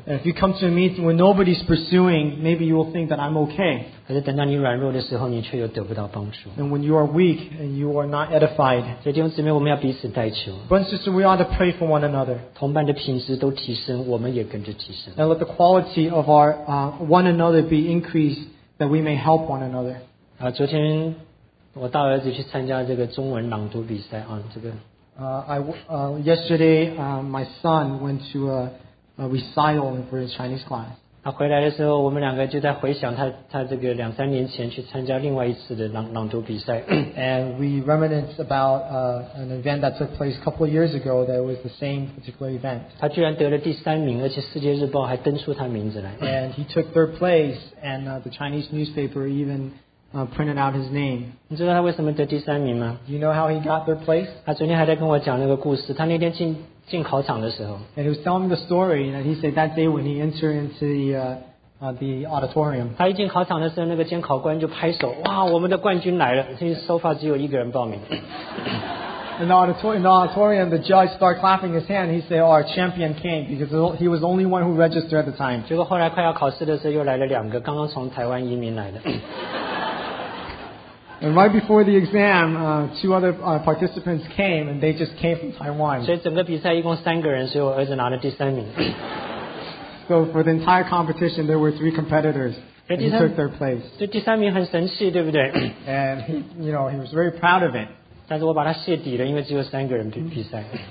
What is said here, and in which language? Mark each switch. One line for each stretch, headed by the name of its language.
English: And if you come to a meeting when nobody's pursuing, maybe you will think that I'm okay.
Chinese: 可是等到你软弱的时候，你却又得不到帮助。
English: And when you are weak and you are not edified,
Chinese: 所以弟兄姊妹，我们要彼此代求。
English: Brothers and sisters, we ought to pray for one another.
Chinese: 同伴的品质都提升，我们也跟着提升。
English: And let the quality of our one another be increased, that we may help one another.
Chinese: 昨天我大儿子去参加这个中文朗读比赛啊，这个。
English: Yesterday, my son went to a recital for his Chinese class.
Chinese: 他回来的时候，我们两个就在回想他这个两三年前去参加另外一次的朗读比赛。
English: And we reminisce about an event that took place a couple of years ago that was the same particular event.
Chinese: 他居然得了第三名，而且《世界日报》还登出他名字来。
English: And he took third place, and the Chinese newspaper even printed out his name.
Chinese: 你知道他为什么得第三名吗
English: ？You know how he got third place?
Chinese: 他昨天还在跟我讲那个故事，他那天进考场的时候
English: ，and he was telling the story, and he said that day when he entered into the auditorium.
Chinese: 他一进考场的时候，那个监考官就拍手，哇，我们的冠军来了！因为
English: so far
Chinese: 只有一个人报名。
English: In the auditorium, the judge started clapping his hand. He said, "Our champion came because he was the only one who registered at the time."
Chinese: 结果后来快要考试的时候，又来了两个刚刚从台湾移民来的。
English: And right before the exam, two other participants came, and they just came from Taiwan.
Chinese: 所以整个比赛一共三个人，所以我儿子拿了第三名。
English: So for the entire competition, there were three competitors. And he took third place.
Chinese: 所以第三名很神气，对不对
English: ？And he, you know, he was very proud of it.
Chinese: 但是我把他卸底了，因为只有三个人比赛。